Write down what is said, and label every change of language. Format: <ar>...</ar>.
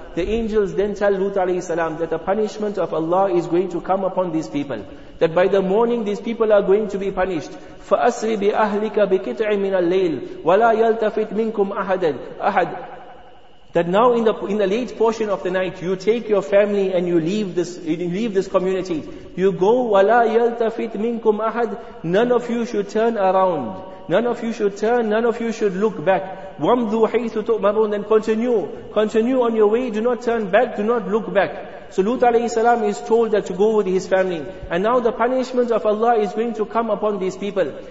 <en>The angels then tell Lut alayhi salam that the punishment of Allah is going to come upon these people. That by the morning these people are going to be punished.</en> <ar>فَأَسْرِ بِأَهْلِكَ بِكِتْعِ مِنَ اللَّيْلِ وَلَا يَلْتَفِتْ مِنْكُمْ أَحَدًا أَحَدٍ.</ar> <en>That now in the late portion of the night, you take your family and you leave this community. You go,</en> <ar>وَلَا يَلْتَفِتْ مِنْكُمْ أَحَدٍ.</ar> <en>None of you should turn around. None of you should turn, none of you should look back.</en> <ar>وَمْذُوا حَيْثُ تُؤْمَرُونَ.</ar> <en>Then continue. Continue on your way, do not turn back, do not look back. So Lut alayhi salam is told that to go with his family. And now the punishment of Allah is going to come upon these people.</en>